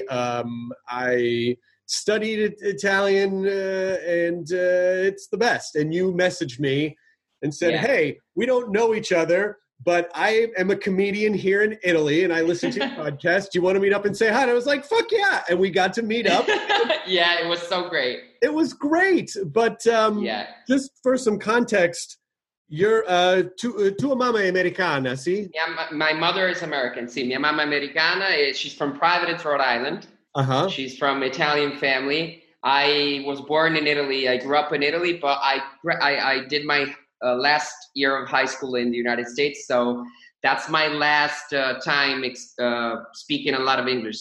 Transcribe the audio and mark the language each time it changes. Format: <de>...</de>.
<en>I studied Italian, and it's the best. And you messaged me and said, yeah, hey, we don't know each other, but I am a comedian here in Italy, and I listen to your podcast. Do you want to meet up and say hi? And I was like, fuck yeah. And we got to meet up. Yeah, it was so great. It was great. But just for some context, you're</en> <it>tua mamma è americana, sì?</it> <en>Yeah, my mother is American.</en> <it>Sì, mia mamma americana.</it> <en>She's from Providence, Rhode Island. Uh-huh. She's from Italian family. I was born in Italy. I grew up in Italy, but I did my last year of high school in the United States. So that's my last time speaking a lot of English.</en>